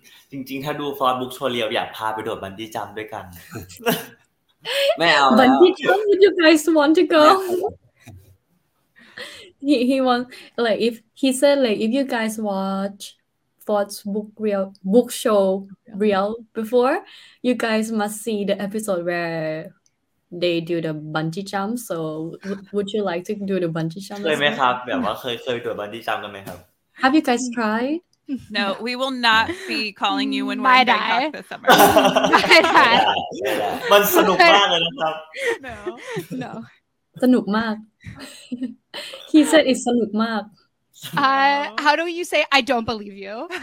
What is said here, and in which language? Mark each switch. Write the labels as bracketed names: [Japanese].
[Thai] จริงๆถ้าดู Force Book Show Reel อยากพาไปโดดบันจี้จัมพ์ด้วยกัน [English] Bungee jump? Would you guys want to go? he wants like if he said like if you guys watch Ford's book show reel before, you guys must see the episode where they do the bungee jump. So would you like to do the bungee jump? [Thai] เคยไหมครับแบบว่าเคยดู bungee jump กันไหมครับ [English] Have you guys tried? No, we will not be calling you when we're back this summer. My dad. [Thai] มันสนุกมากเลยนะครับ [English] No, no. [Thai] สนุกมาก [English] He said it's สนุกมาก How do you say I don't believe you?